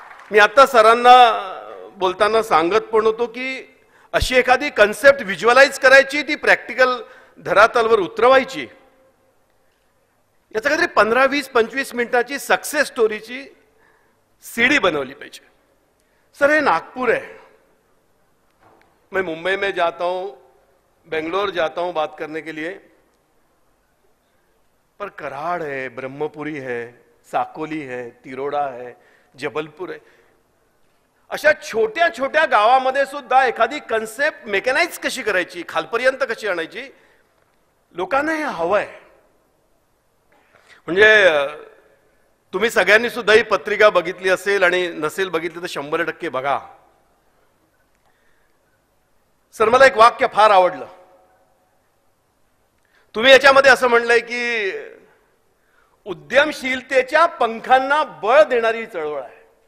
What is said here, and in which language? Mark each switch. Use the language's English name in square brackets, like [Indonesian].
[Marathi] मी आता सरांना बोलताना सांगत पण होतो की अशी एखादी कन्सेप्ट व्हिज्युअलाइज करायची, ती प्रॅक्टिकल धरातलवर उतरवायची, याचा काहीतरी 15-20-25 मिनिटाची सक्सेस स्टोरीची सीडी बनवली पाहिजे। सर हे नागपूर आहे, [Hindi] मैं मुंबई में जाता हूं, बेंगलोर जाता हूं बात करने के लिए, पर कराड़ है, ब्रह्मपुरी है, साकोली है, तिरोड़ा है, जबलपुर है, [Marathi] अशा छोट्या छोट्या गावामध्ये सुद्धा एखादी कन्सेप्ट मेकॅनाइज कशी करायची, खालपर्यंत कशी आणायची, लोकांना हे हवंय। म्हणजे तुम्ही सगळ्यांनी सुद्धा ही पत्रिका बघितली असेल आणि नसेल बघितली तर 100% बघा। सर मला एक वाक्य फार आवडलं, तुम्ही याच्यामध्ये असं म्हणलंय की उद्यमशीलतेच्या पंखांना बळ देणारी चळवळ आहे।